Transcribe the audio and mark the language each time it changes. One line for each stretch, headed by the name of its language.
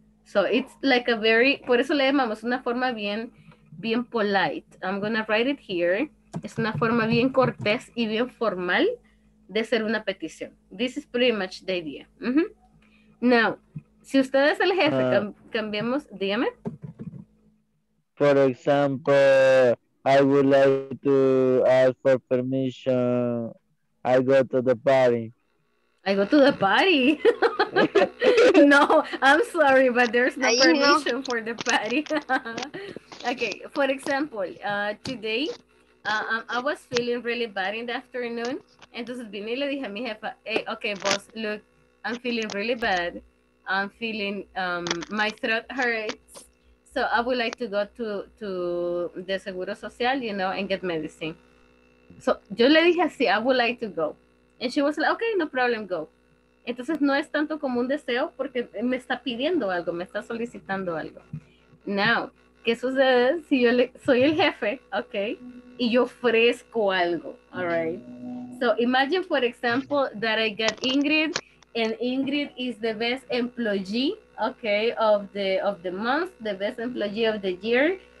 English: So it's like a very,
Spanish: por eso le llamamos una forma bien, bien polite.
English: I'm gonna write it here.
Spanish: Es una forma bien cortés y bien formal de hacer una petición.
English: This is pretty much the idea. Mm-hmm. Now,
Spanish: si usted es el jefe, cambiemos, dígame.
English: For example, I would like to ask for permission. I go to the party. I go to the party. No, I'm sorry, but there's no permission for the party. Okay, for example, today I was feeling really bad in the afternoon.
Spanish: Entonces vine y le dije a mi jefa,
English: hey, okay, boss, look, I'm feeling really bad. I'm feeling my throat hurts. So I would like to go to the Seguro Social, you know, and get medicine. So
Spanish: yo le dije así,
English: I would like to go. And she was like, okay, no problem, go.
Spanish: Entonces, no es tanto como un deseo porque me está pidiendo algo, me está solicitando algo. Now, ¿qué sucede si yo soy el jefe, okay, y yo ofrezco algo,
English: all right? So, imagine, for example, that I get Ingrid, and Ingrid is the best employee, okay, of the month, the best employee of the year.